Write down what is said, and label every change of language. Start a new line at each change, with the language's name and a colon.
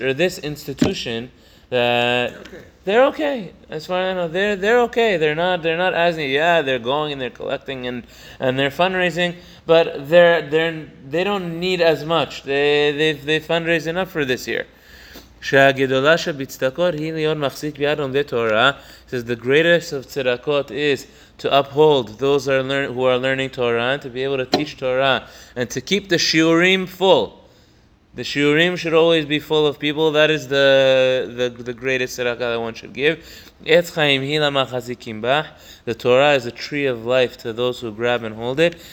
English: Or this institution they're okay. As far as I know, they're okay. They're not as need. Yeah, they're going and they're collecting and they're fundraising, but they don't need as much. They fundraise enough for this year.
Hebrew: שהגדולה שבצדקות היא להיות מחזיק ביד עומדי תורה.
English: It says the greatest of tzedakot is to uphold those who are learning Torah, to be able to teach Torah, and to keep the shiurim full. The shiurim should always be full of people. That is the greatest tzedakah that one should give.
Hebrew: עץ חיים היא למחזיקים בה.
English: The Torah is a tree of life to those who grab and hold it.